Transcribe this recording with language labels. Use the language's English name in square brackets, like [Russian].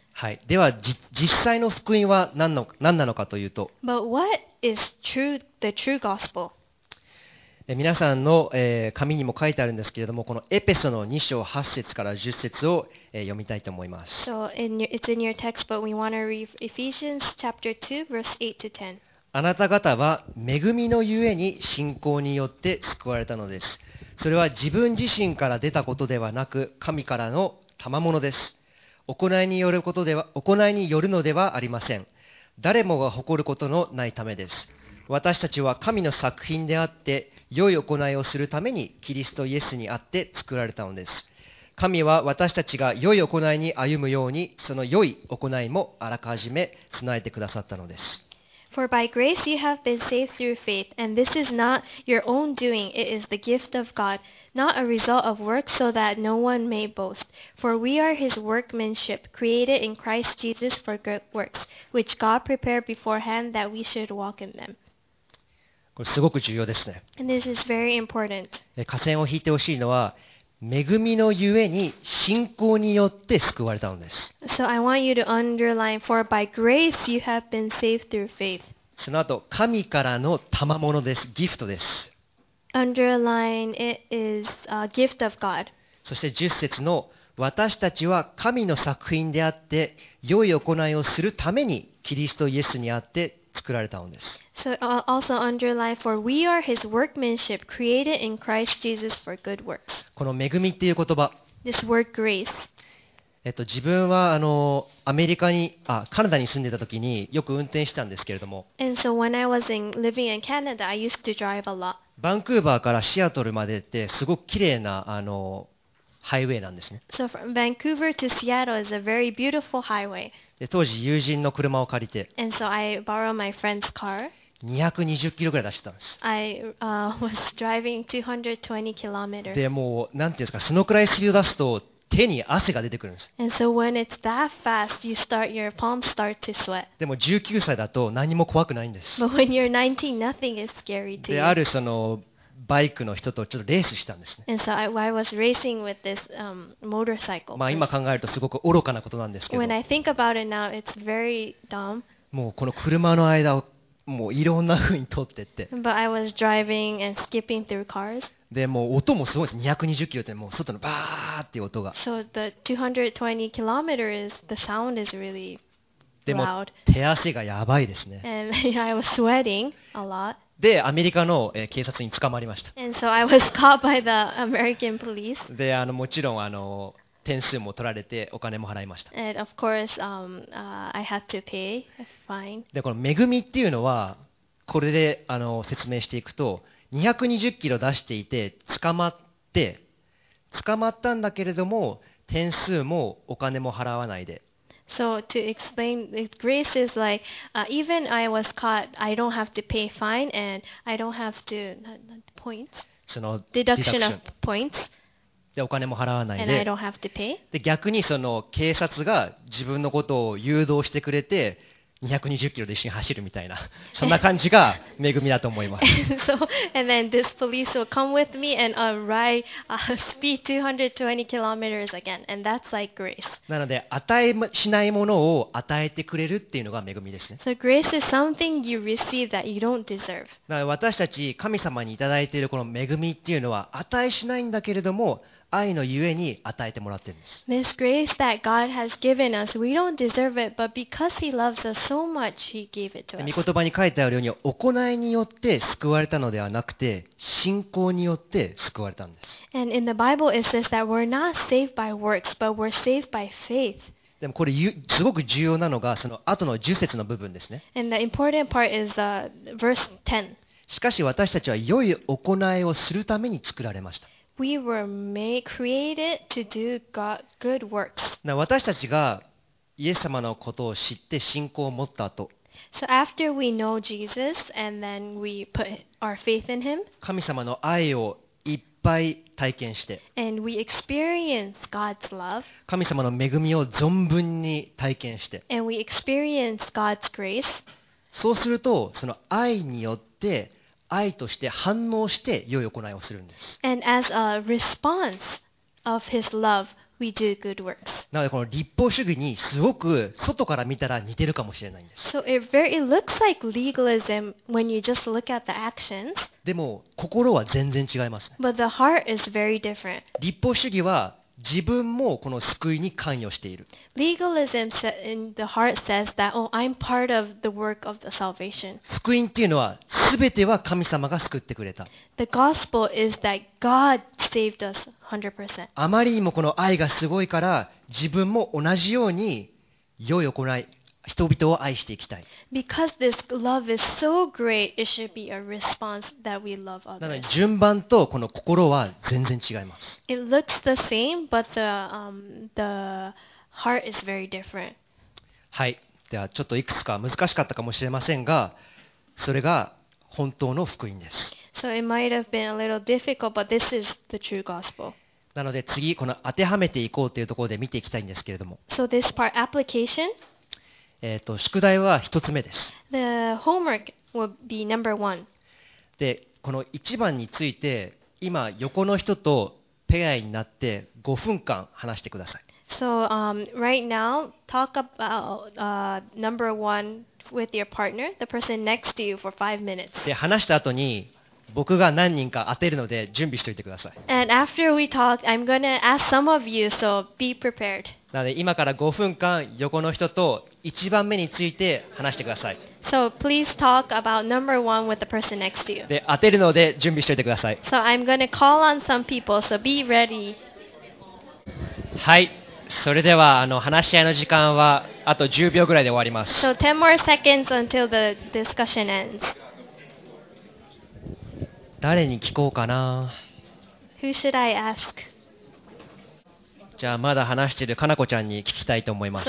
[Japanese] はい。では実際の福音は何なのかというと、 [English] But what is true, the true gospel? [Japanese] 皆さんの、紙にも書いてあるんですけれども、このエペソの2章8節から10節を読みたいと思います。 [English] So it's in your text, but we want to read Ephesians chapter 2, verse 8 to 10. [Japanese] あなた方は恵みのゆえに信仰によって救われたのです。それは自分自身から出たことではなく、神からの賜物です。行いによるのではありません。誰もが誇ることのないためです。私たちは神の作品であって、良い行いをするためにキリストイエスにあって作られたのです。神は私たちが良い行いに歩むように、その良い行いもあらかじめ備えてくださったのです。 [English] For by grace you have been saved through faith, and this is not your own doing, it is the gift of God, not a result of works, so that no one may boast. For we are his workmanship, created in Christ Jesus for good works, which God prepared beforehand that we should walk in them. [Japanese] これすごく重要ですね。 [English] And this is very important. [Japanese] 河川を引いてほしいのは、恵みのゆえに信仰によって救われたのです。 [English] So I want you to underline, for by grace you have been saved through faith. [Japanese] その後、神からの賜物です。ギフトです。 [English] Underline, it is a gift of God. [Japanese] そして10節の、私たちは神の作品であって、良い行いをするためにキリストイエスにあって作られたのです。 [English] So also underline, for we are his workmanship, created in Christ Jesus for good works. [Japanese] この恵みっていう言葉。 [English] This word grace. [Japanese] 自分はアメリカに、カナダに住んでた時によく運転したんですけれども。 [English] And so when I was living in Canada, I used to drive a lot. [Japanese] バンクーバーからシアトルまでってすごく綺麗なハイウェイなんですね。 [English] So from Vancouver to Seattle is a very beautiful highway. [Japanese] 当時友人の車を借りて、 [English] And so、I borrowed my friend's car. [Japanese] 220キロぐらい出してたんです。 [English] I was driving 220 kilometers. [Japanese] でもうなんていうんですか、そのくらいスピード出すと手に汗が出てくるんです。 [English] And so when it's that fast, you start your palms start to sweat. [Japanese] でも19歳だと何も怖くないんです。 [English] But when you're 19, nothing is scary to you. [Japanese] であるそのバイクの人とちょっとレースしたんですね。 [English] And so I was racing with this, motorcycle. [Japanese] まあ今考えるとすごく愚かなことなんですけど。 [English] When I think about it now, it's very dumb. [Japanese] もうこの車の間をもういろんな風に通ってって。 [English] But I was driving and skipping through cars. [Japanese] でもう音もすごいです。220キロってもう外のバーっていう音が。 [English] So the 220 kilometers, the sound is really loud. [Japanese] でも手汗がやばいですね。 [English] And I was sweating a lot. [Japanese] で、アメリカの警察に捕まりました。 [English] And so I was caught by the American police. [Japanese] で、もちろん点数も取られてお金も払いました。 [English] And of course, I had to pay a fine. [Japanese] で、この恵みっていうのは、これで説明していくと、220キロ出していて捕まったんだけれども、点数もお金も払わないで。 [English] So to explain, grace is like, even I was caught, I don't have to pay fine and I don't have to points. [Japanese] その [English] deduction of points. [Japanese] でお金も払わないで。 [English] And I don't have to pay. [Japanese] で逆にその警察が自分のことを誘導してくれて220キロで一緒に走るみたいなそんな感じが恵みだと思います。 [English] So and then this police will come with me and ride speed 220 kilometers again, and that's like grace. [Japanese] なので与えしないものを与えてくれるっていうのが恵みですね。 [English] So grace is something you receive that you don't deserve. [Japanese] なので私たち神様にいただいているこの恵みっていうのは与えしないんだけれども。愛のゆえに与えてもらってるんです。 [English] This grace that God has given us, we don't deserve it, but because He loves us so much, He gave it to us. [Japanese] 御言葉に書いてあるように、行いによって救われたのではなくて、信仰によって救われたんです。 [English] And in the Bible, it says that we're not saved by works, but we're saved by faith. [Japanese] でもこれすごく重要なのがその後の10節の部分ですね。 [English] And the important part is verse 10. [Japanese] しかし私たちは良い行いをするために作られました。 [English] We were made, created to do good works. [Japanese] 私たちがイエス様のことを知って信仰を持った後、 [English] So after we know Jesus and then we put our faith in Him, [Japanese] 神様の愛をいっぱい体験して、 [English] And we experience God's love, [Japanese] 神様の恵みを存分に体験して、 [English] And we experience God's grace, [Japanese] そうするとその愛によって愛として反応して良い行いをするんです。 [English] And as a response of his love, we do good works. [Japanese] なのでこの立法主義にすごく外から見たら似てるかもしれないんです。 [English] So it very looks like legalism when you just look at the actions. [Japanese] でも心は全然違いますね。 [English] But the heart is very different. [Japanese] 立法主義は自分もこの救いに関与している。 [English] Legalism in the heart says that, oh, I'm part of the work of the salvation. [Japanese] 救いっていうのは、すべては神様が救ってくれた。 [English] The gospel is that God saved us 100%. [Japanese] あまりにもこの愛がすごいから、自分も同じように良い行い、人々を愛していきたい。 [English] Because this love is so great, it should be a response that we love others. [Japanese] なので順番とこの心は全然違います。 [English] It looks the same, but the heart is very different. [Japanese] はい。ではちょっといくつか難しかったかもしれませんが、それが本当の福音です。 [English] So it might have been a little difficult, but this is the true gospel. [Japanese] なので次この当てはめていこうというところで見ていきたいんですけれども、 [English] So this part, application. [Japanese] 宿題は一つ目です。 [English] The homework will be number one. [Japanese] でこの一番について、今横の人とペアになって5分間話してください。 [English] So, right now, talk about number one with your partner, the person next to you for 5 minutes. [Japanese] で、話した後に僕が何人か当てるので準備しておいてください。 [English] And after we talk, I'm going to ask some of you, so be prepared. [Japanese] なので、今から5分間横の人と一番目について話してください。 [English] So, please talk about number one with the person next to you. [Japanese] で、当てるので準備しておいてください。 [English] So, I'm going to call on some people, so be ready. [Japanese] はい。それでは話し合いの時間はあと10秒ぐらいで終わります。 [English] So 10 more seconds until the discussion ends. [Japanese] 誰に聞こうかな。 [English] Who should I ask? [Japanese] じゃあまだ話しているかなこちゃんに聞きたいと思います。